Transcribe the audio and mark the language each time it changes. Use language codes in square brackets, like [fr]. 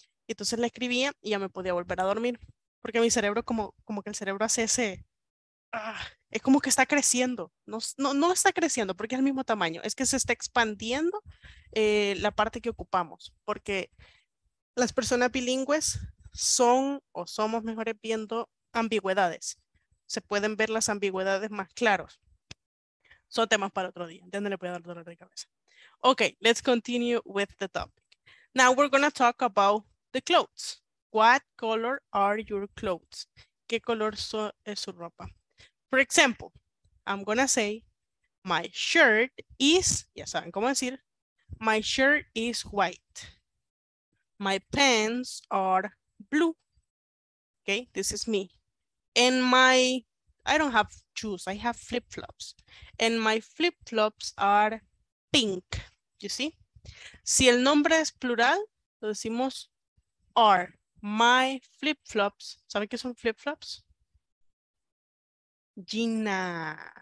[es] Y entonces la escribía y ya me podía volver a dormir. Porque mi cerebro como que el cerebro hace ese, es como que está creciendo, no está creciendo porque es el mismo tamaño, es que se está expandiendo la parte que ocupamos, porque las personas bilingües son o somos mejores viendo ambigüedades, se pueden ver las ambigüedades más claros. Son temas para otro día, ¿de dónde le puede dar dolor de cabeza? [en] Ok, let's continue with the topic. Now we're going to talk about the clothes. What color are your clothes? [es] ¿Qué color es su ropa? [en] For example, I'm gonna say, my shirt is, [es] ya saben cómo decir, [en] my shirt is white. My pants are blue. Okay, this is me. And my, I don't have shoes, I have flip-flops. And my flip-flops are pink, you see? [es] Si el nombre es plural, lo decimos are. [en] My flip-flops, [es] ¿saben qué son flip-flops? Gina.